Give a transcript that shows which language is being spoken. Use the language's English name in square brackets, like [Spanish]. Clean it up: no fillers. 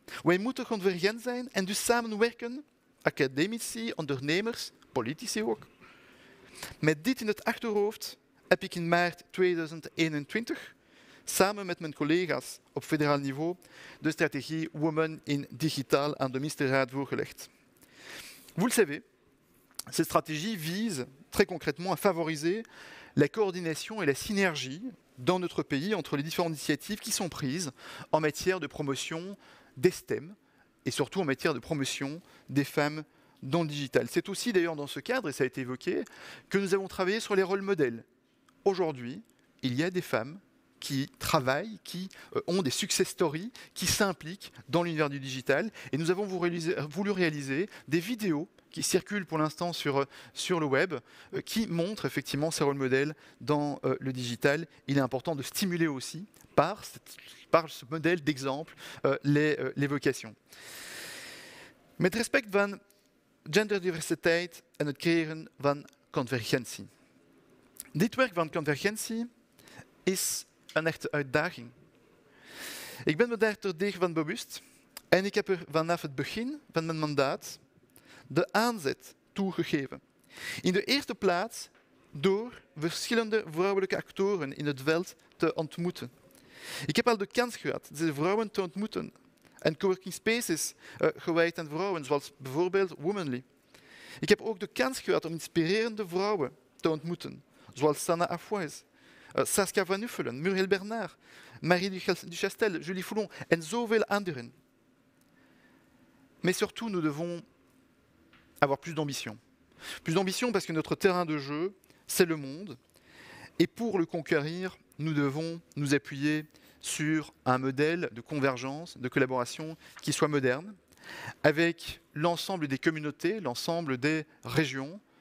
[Dutch] Wij moeten convergent zijn en dus samenwerken, academici, ondernemers, politici ook. Met dit in het achterhoofd heb ik in maart 2021 samen met mijn collega's op federaal niveau de strategie Women in Digital aan de ministerraad voorgelegd. [French] Vous le savez, cette stratégie vise très concrètement à favoriser la coordination et la synergie dans notre pays entre les différentes initiatives qui sont prises en matière de promotion des STEM et surtout en matière de promotion des femmes dans le digital. C'est aussi d'ailleurs dans ce cadre, et ça a été évoqué, que nous avons travaillé sur les rôles modèles. Aujourd'hui, il y a des femmes qui travaillent, qui ont des success stories, qui s'impliquent dans l'univers du digital. Et nous avons voulu réaliser des vidéos qui circulent pour l'instant sur le web, qui montrent effectivement ces rôles modèles dans le digital. Il est important de stimuler aussi, par ce modèle d'exemple, les vocations. [Dutch] Met respect van genderdiversiteit en het creëren van convergentie. Dit werk van convergentie is een echte uitdaging. Ik ben me daar terdege van bewust en ik heb er vanaf het begin van mijn mandaat de aanzet toegegeven. In de eerste plaats door verschillende vrouwelijke actoren in het veld te ontmoeten. Ik heb al de kans gehad deze vrouwen te ontmoeten en coworking spaces gewijd aan vrouwen, zoals bijvoorbeeld Womanly. Ik heb ook de kans gehad om inspirerende vrouwen te ontmoeten, zoals Sana Afwijs, Saskia Van Uffelen, Muriel Bernard, Marie Duchastel, Julie Foulon en zoveel anderen. [French] Mais surtout, nous devons avoir plus d'ambition. Plus d'ambition parce que notre terrain de jeu, c'est le monde. Et pour le conquérir, nous devons nous appuyer sur un modèle de convergence, de collaboration qui soit moderne, avec l'ensemble des communautés, l'ensemble des régions.